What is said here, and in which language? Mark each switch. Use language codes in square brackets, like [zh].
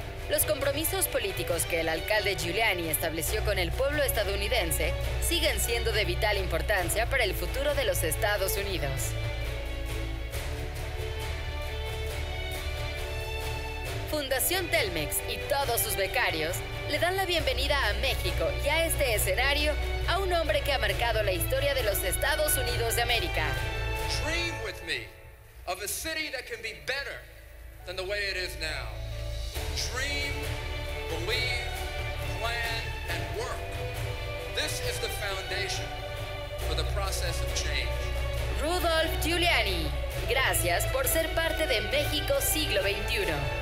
[es] los compromisos políticos que el alcalde Giuliani estableció con el pueblo estadounidense siguen siendo de vital importancia para el futuro de los Estados Unidos. Fundación Telmex y todos sus becarios le dan la bienvenida a México y a este escenario a un hombre que ha marcado la historia de los Estados Unidos de América. [en] Dream with me of a city that can be better than the way it is now. Dream, believe, plan, and work. This is the foundation for the process of change. [es] Rudolph Giuliani, gracias por ser parte de México Siglo XXI.